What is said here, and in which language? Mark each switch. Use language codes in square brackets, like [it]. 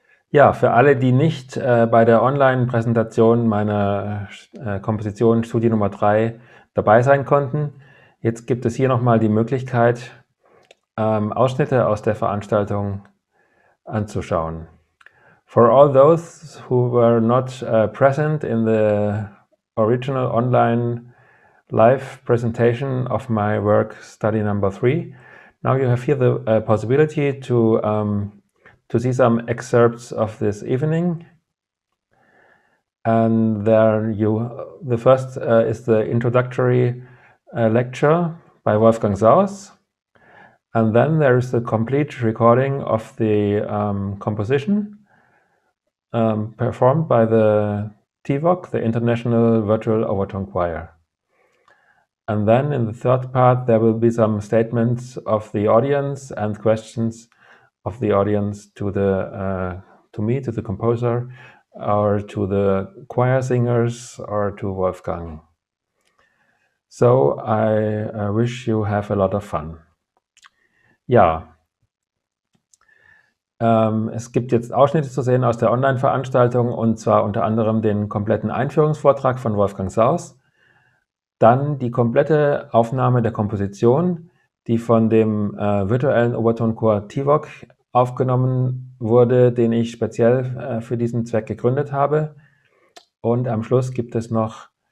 [de] Ja, für alle, die nicht bei der Online-Präsentation meiner Komposition Studie Nummer 3 dabei sein konnten, jetzt gibt es hier nochmal die Möglichkeit, Ausschnitte aus der Veranstaltung anzuschauen. [en] For all those who were not present in the original online live presentation of my work study number 3, now you have here the possibility to see some excerpts of this evening. And there you, the first is the introductory lecture by Wolfgang Saus. And then there is the complete recording of the composition performed by the TVOC, the International Virtual Overtone Choir. And then in the third part, there will be some statements of the audience and questions of the audience to the to me, to the composer, or to the choir singers, or to Wolfgang. So I wish you have a lot of fun. [de] Ja, es gibt jetzt Ausschnitte zu sehen aus der Online-Veranstaltung, und zwar unter anderem den kompletten Einführungsvortrag von Wolfgang Saus, dann die komplette Aufnahme der Komposition, die von dem virtuellen Obertonchor TVOC aufgenommen wurde, den ich speziell für diesen Zweck gegründet habe, und am Schluss gibt es noch